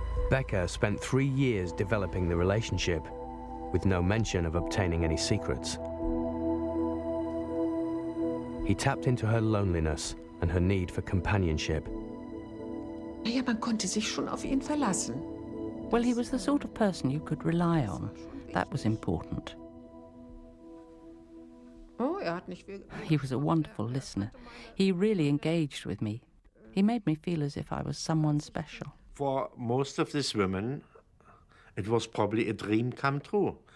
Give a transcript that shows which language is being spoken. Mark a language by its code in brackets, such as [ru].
[en] Becker spent 3 years developing the relationship, with no mention of obtaining any secrets. He tapped into her loneliness and her need for companionship. [de] Ja, man konnte sich schon auf ihn verlassen. [en] Well, he was the sort of person you could rely on. That was important. He was a wonderful listener. He really engaged with me. He made me feel as if I was someone special. For most of these women, it was probably a dream come true.